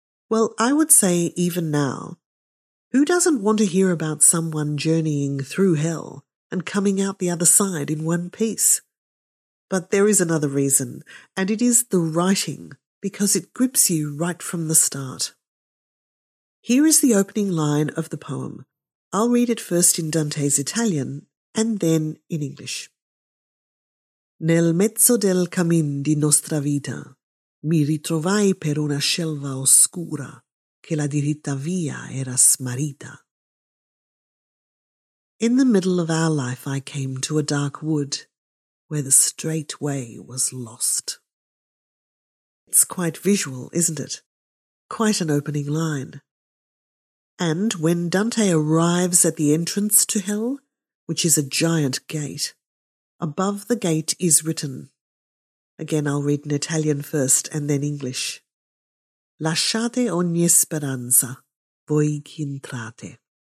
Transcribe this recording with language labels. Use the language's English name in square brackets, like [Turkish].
[English] Well, I would say even now, who doesn't want to hear about someone journeying through hell and coming out the other side in one piece? But there is another reason, and it is the writing, because it grips you right from the start. Here is the opening line of the poem. I'll read it first in Dante's Italian and then in English. [Italian] Nel mezzo del cammin di nostra vita mi ritrovai per una selva oscura che la diritta via era smarrita. [English] In the middle of our life I came to a dark wood where the straight way was lost. It's quite visual, isn't it? Quite an opening line. And when Dante arrives at the entrance to hell, which is a giant gate, above the gate is written, again I'll read in Italian first and then English, [Italian] Lasciate ogni speranza, voi chi entrate.